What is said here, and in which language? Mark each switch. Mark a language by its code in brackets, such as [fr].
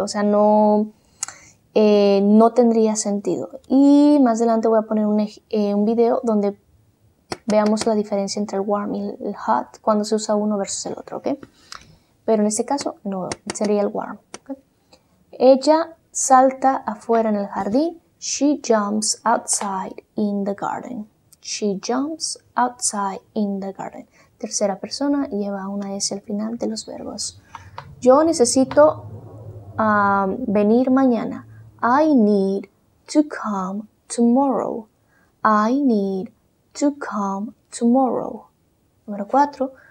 [es] O sea, no, no tendría sentido. Y más adelante voy a poner un video donde veamos la diferencia entre el warm y el hot, cuando se usa uno versus el otro, ¿ok? Pero en este caso, no, sería el warm, ¿okay? Ella salta afuera en el jardín. [en] She jumps outside in the garden. She jumps outside in the garden. [es] Tercera persona, lleva una S al final de los verbos. Yo necesito venir mañana. [en] I need to come tomorrow. I need to come tomorrow. [es] Número 4.